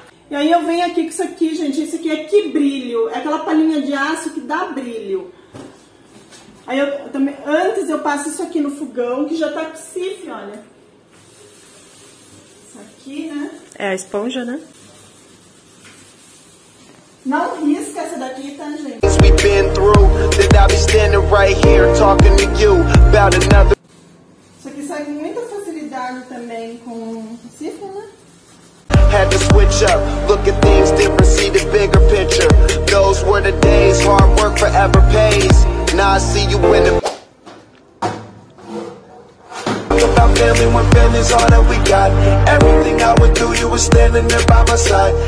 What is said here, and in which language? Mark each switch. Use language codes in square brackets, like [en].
[pt] E aí eu venho aqui com isso aqui, gente. Isso aqui é que brilho. É aquela palhinha de aço que dá brilho. Aí eu também... Antes eu passo isso aqui no fogão, que já tá com Cif, olha. Isso aqui, né? É a esponja, né? Não risca essa daqui, tá, gente? [en] We've been through, that I'll be standing right here talking to you about another... [pt] Isso aqui sai com muita facilidade também com Cif, né? [en] Had to switch up, look at things different, see the bigger picture. Those were the days, hard work forever pays. Now I see you in the... Talk about family when family's all that we got. Everything I would do, you were standing there by my side.